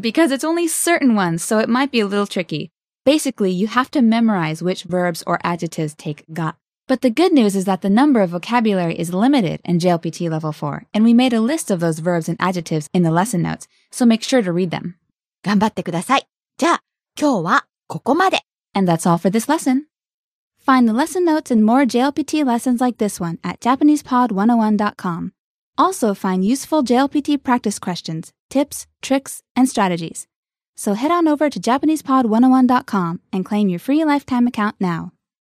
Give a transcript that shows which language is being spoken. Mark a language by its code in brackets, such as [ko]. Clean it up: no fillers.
[en] Because it's only certain ones, so it might be a little tricky. Basically, you have to memorize which verbs or adjectives take が. But the good news is that the number of vocabulary is limited in JLPT level 4, and we made a list of those verbs and adjectives in the lesson notes, so make sure to read them. [ja] 頑張ってください。じゃあ、今日はここまで。 [en] And that's all for this lesson. Find the lesson notes and more JLPT lessons like this one at JapanesePod101.com. Also, find useful JLPT practice questions, tips, tricks, and strategies. So head on over to JapanesePod101.com and claim your free lifetime account now.